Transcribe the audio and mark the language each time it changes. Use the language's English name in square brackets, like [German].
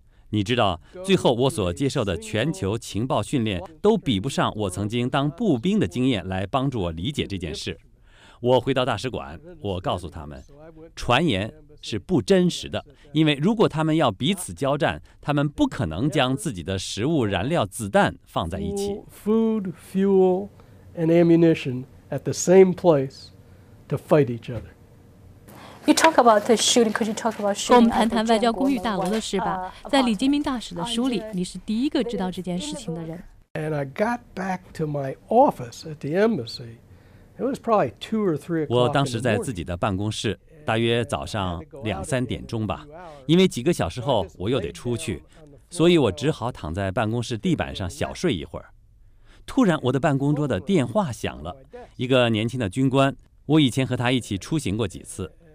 [Chinese] 你知道，最后我所接受的全球情报训练都比不上我曾经当步兵的经验来帮助我理解这件事。我回到大使馆，我告诉他们，传言是不真实的，因为如果他们要彼此交战，他们不可能将自己的食物、燃料、子弹放在一起。 [English] And ammunition at the same place to fight each other. You talk about the shooting. Could you talk about shooting? [Chinese] 跟我们谈谈外交公寓大楼的事吧。在李金明大使的书里，你是第一个知道这件事情的人。 [English] And I got back to my office at the embassy. It was probably 2 or 3 o'clock. [Chinese] 我当时在自己的办公室，大约早上两三点钟吧。因为几个小时后我又得出去，所以我只好躺在办公室地板上小睡一会儿。突然我的办公桌的电话响了，一个年轻的军官，我以前和他一起出行过几次。